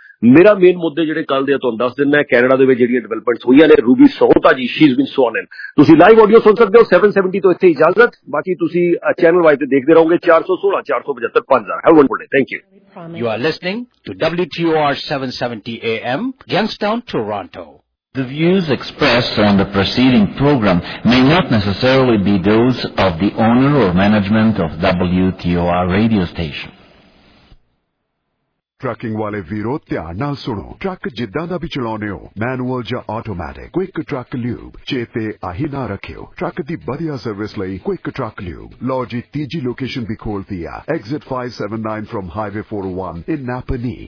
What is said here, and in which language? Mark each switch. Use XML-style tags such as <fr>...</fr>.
<pa>ਮੇਰਾ ਮੇਨ ਮੁੱਦੇ ਜਿਹੜੇ ਕੱਲ ਦੇ ਤੁਹਾਨੂੰ ਦੱਸ ਦਿੰਦਾ, ਕੈਨੇਡਾ ਦੇ ਵਿੱਚ ਜਿਹੜੀਆਂ ਡਿਵੈਲਪਮੈਂਟਸ ਹੋਈਆਂ ਨੇ, ਰੂਬੀ ਸੋਹਤਾ ਜੀ</pa> <en>she is been sworn in,</en> <pa>ਤੁਸੀਂ ਲਾਈਵ ਆਡੀਓ ਸੁਣ ਸਕਦੇ ਹੋ 770 ਤੋਂ ਇੱਥੇ ਇਜਾਜ਼ਤ, ਬਾਕੀ ਤੁਸੀਂ ਚੈਨਲ ਵਾਈਜ਼ ਤੇ ਦੇਖਦੇ ਰਹੋਗੇ 416-475-5000।</pa> <en>Have a wonderful day, thank you. You are listening to WTOR 770 AM Youngstown Toronto. The views expressed on the preceding program may not necessarily be those of the owner or management of WTOR radio station.</en> <pa>Trucking ਵਾਲੇ ਵੀਰੋ, ਧਿਆਨ ਨਾਲ ਸੁਣੋ, truck ਜਿੱਦਾਂ ਦਾ ਵੀ ਚਲਾਉਂਦੇ ਹੋ, manual ਜਾਂ automatic, quick truck lube ਚੇਤੇ ਆਹੀ ਨਾ ਰੱਖਿਓ। ਟਰੱਕ ਦੀ ਵਧੀਆ ਸਰਵਿਸ ਲਈ ਕੁਇਕ ਟਰੱਕ ਲਿਊਬ। ਲਓ ਜੀ, ਤੀਜੀ ਲੋਕੇਸ਼ਨ ਵੀ ਖੋਲਤੀ ਆ,</pa> <en>Exit 579 from highway 401 in Napanee.</en>